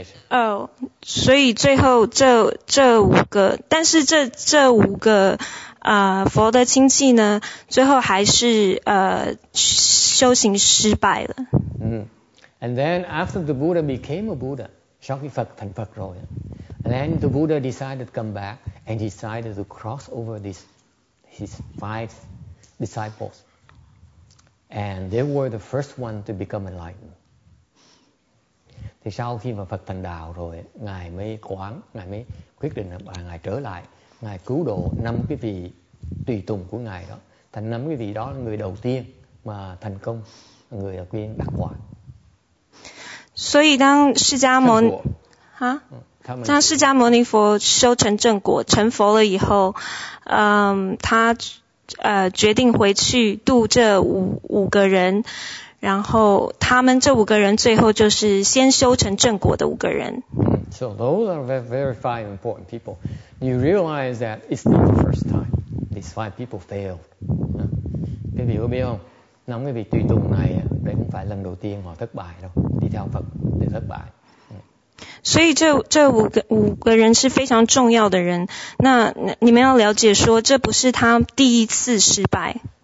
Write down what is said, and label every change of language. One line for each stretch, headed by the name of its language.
Chinese: So, 所以最后这五个，但是这五个佛的亲戚呢，最后还是修行失败了。
English: And then after the Buddha became a Buddha, Shakyamuni
Vietnamese: thành Phật rồi,
English: then the Buddha decided to come back and decided to cross over his five disciples, and they were the first one to become enlightened.
Vietnamese: Thì sau khi mà Phật thành đạo rồi, ngài mới quán, ngài mới quyết định là ngài trở lại, ngài cứu độ năm cái vị tùy tùng của ngài đó, thành năm cái vị đó là người đầu tiên mà thành công, người đầu tiên đắc quả.
Chinese: 所以当释迦牟尼啊，当释迦牟尼佛修成正果，成佛了以后，他决定回去度这五个人。然后他们这五个人最后就是先修成正果的五个人。
English: So those are very five important people. You realize that it's not the first time these five people failed.
Vietnamese: Các vị có biết không? Năm cái vị tùy tùng này đấy không phải lần đầu tiên họ thất bại đâu. Đi theo Phật để thất bại.
Chinese: 所以这五个人是非常重要的人。那你们要了解说，这不是他第一次失败。